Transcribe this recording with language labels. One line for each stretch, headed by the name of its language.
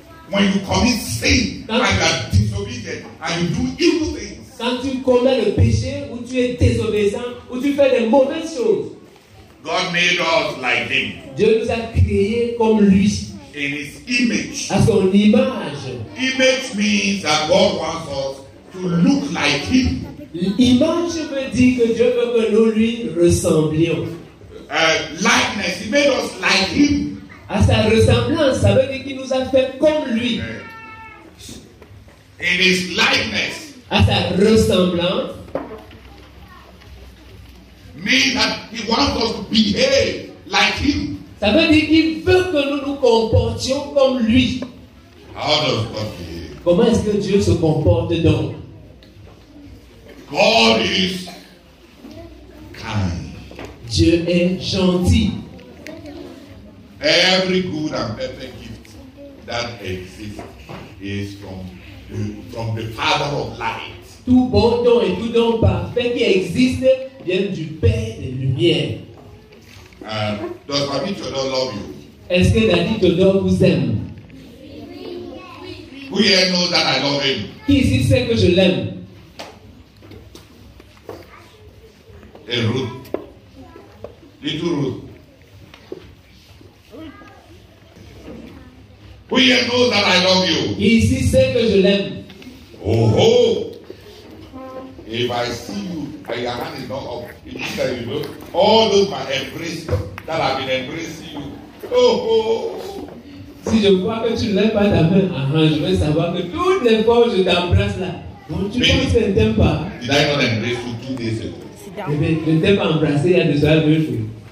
English: When you commit sin and are disobedient and you do evil things.
French: Quand tu commets le péché ou tu es désobéissant ou tu fais des mauvaises choses.
English: God made us like him.
French: Dieu nous a créés comme lui.
English: In his image.
French: À son image.
English: Image means that God wants us to look like him.
French: L'image veut dire que Dieu veut que nous lui ressemblions.
English: Likeness, he made us like him.
French: À sa ressemblance, ça veut dire qu'il nous a fait comme lui.
English: In his likeness.
French: À sa ressemblance.
English: Means that he wants us to behave like him.
French: Ça veut dire qu'il veut que nous nous comportions comme lui.
English: How does God behave?
French: Comment est-ce que Dieu se comporte donc?
English: God is kind.
French: Dieu est gentil.
English: Every good and perfect gift that exists is from the Father of light.
French: Tout bon don et tout don parfait qui existe vient du Père des Lumières.
English: Does Papi Chodor love you?
French: Est-ce que Daddy Chodor vous aime?
English: Who here knows that I love him?
French: Qui ici sait que je l'aime?
English: Hey, Ruth. Little Ruth. Who here knows that I love you?
French: Qui ici sait que je l'aime? Oh ho!
English: If I see you and your hand is not up, it is that you know. All those my embrace that have been embracing you. Oh ho!
French: Si je vois que tu ne lèves pas ta main, je vais savoir que toutes les fois où je t'embrasse là, donc tu penses que je ne t'aime pas.
English: Did I not embrace you 2 days ago?
French: Je ne t'ai pas embrassé il y a déjà 2 jours.